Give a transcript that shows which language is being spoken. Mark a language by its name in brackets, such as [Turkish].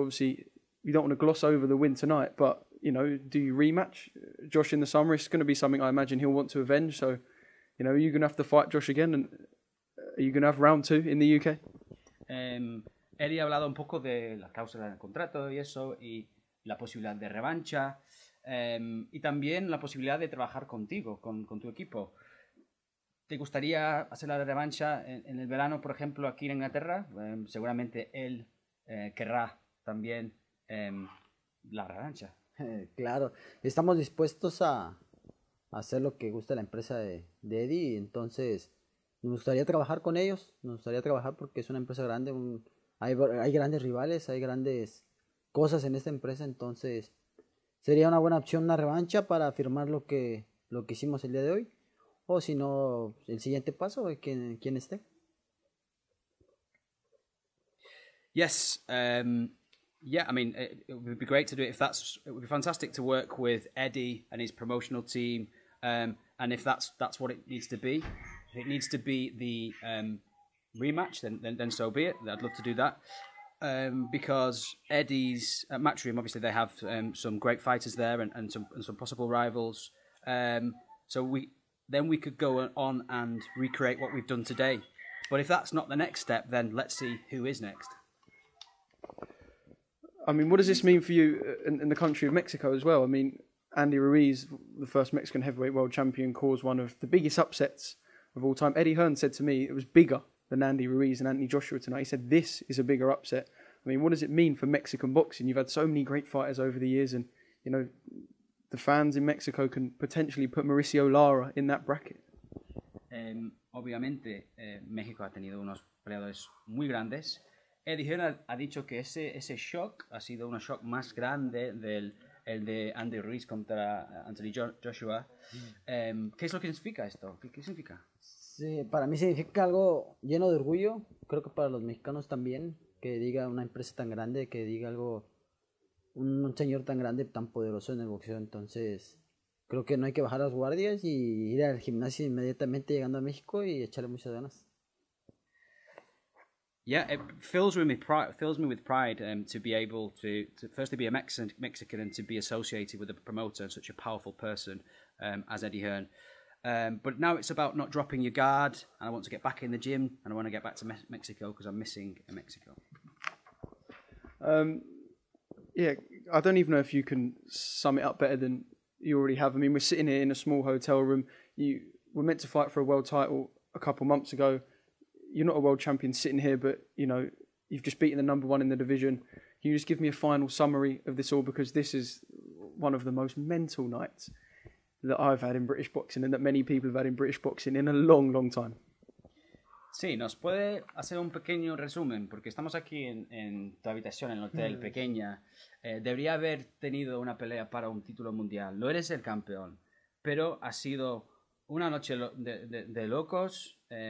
[English] Obviously, you don't want to gloss over the win tonight, but, you know, do you rematch Josh in the summer? It's going to be something I imagine he'll want to avenge. So, you know, are you going to have to fight Josh again? And are you going to have round two in the UK? [Spanish] Eddie ha hablado un poco de la cláusula del contrato y eso, y la posibilidad de revancha. Y también la posibilidad de trabajar contigo, con tu equipo. ¿Te gustaría hacer la revancha en el verano, por ejemplo, aquí en Inglaterra? Seguramente él querrá también la revancha. Claro, estamos dispuestos a hacer lo que gusta la empresa de Eddie. Entonces, nos gustaría trabajar con ellos, nos gustaría trabajar porque es una empresa grande, hay grandes rivales, hay grandes cosas en esta empresa. Entonces sería una buena opción una revancha para firmar lo que hicimos el día de hoy, o si no, el siguiente paso, quien esté. [English] Yes, I mean, it would be great to do it. It would be fantastic to work with Eddie and his promotional team, and if that's what it needs to be. If it needs to be the rematch, then so be it. I'd love to do that. Because Eddie's at Matchroom, obviously they have some great fighters there and some possible rivals. So we could go on and recreate what we've done today. But if that's not the next step, then let's see who is next. I mean, what does this mean for you in the country of Mexico as well? I mean, Andy Ruiz, the first Mexican heavyweight world champion, caused one of the biggest upsets of all time. Eddie Hearn said to me it was bigger than Andy Ruiz and Anthony Joshua tonight. He said this is a bigger upset. I mean, what does it mean for Mexican boxing? You've had so many great fighters over the years, and, you know, the fans in Mexico can potentially put Mauricio Lara in that bracket. [Spanish] Obviamente, México ha tenido unos peleadores muy grandes. Eddie Hearn ha dicho que ese shock ha sido un shock más grande del el de Andy Ruiz contra Anthony Joshua. ¿Qué es lo que significa esto? ¿Qué significa? Sí, para mí significa algo lleno de orgullo. Creo que para los mexicanos también, que diga una empresa tan grande, que diga algo, un señor tan grande, tan poderoso en el boxeo. Entonces, creo que no hay que bajar las guardias y ir al gimnasio inmediatamente llegando a México y echarle muchas ganas. [English] Yeah, it fills me with pride to be able to firstly be a Mexican and to be associated with a promoter and such a powerful person as Eddie Hearn. But now it's about not dropping your guard, and I want to get back in the gym, and I want to get back to Mexico because I'm missing Mexico. Yeah, I don't even know if you can sum it up better than you already have. I mean, we're sitting here in a small hotel room. You were meant to fight for a world title a couple months ago. You're not a world champion sitting here, but, you know, you've just beaten the number one in the division. Can you just give me a final summary of this all? Because this is one of the most mental nights that I've had in British boxing and that many people have had in British boxing in a long, long time. [Spanish] Sí, nos puede hacer un pequeño resumen, porque estamos aquí en tu habitación, en el hotel pequeña. Debería haber tenido una pelea para un título mundial. No eres el campeón, pero ha sido una noche de locos.